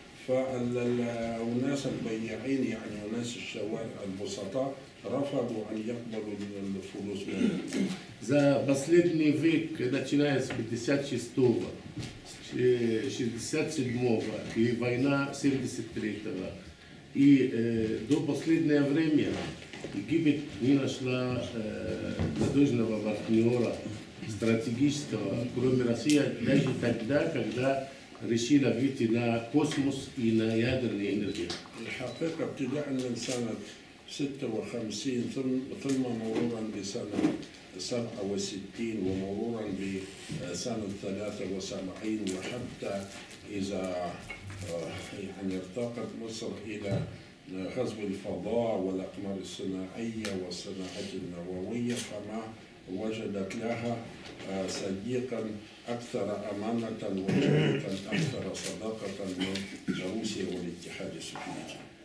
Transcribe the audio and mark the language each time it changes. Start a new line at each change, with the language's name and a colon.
Arabic: فالناس البياعين يعني ناس الشوارع البسطاء رفضوا أن يقبلوا الفلوس
Russian: за последний век, начиная с 56-го, 67-го и война 73-го, и до последнего времени Египет не нашла надежного партнера стратегического, кроме России, даже тогда, когда решила выйти на космос и на ядерную энергию.
Arabic: الحقيقة ابتداء من سنة 56 ثم مرورا بسنة 67 ومرورا بسنة 73 وحتى إذا يعني ارتقت مصر إلى غزو الفضاء والأقمار الصناعية والصناعات النووية فما وجدت لها صديقا أكثر أمانة وشريكا أكثر صداقة من روسيا والاتحاد السوفيتي.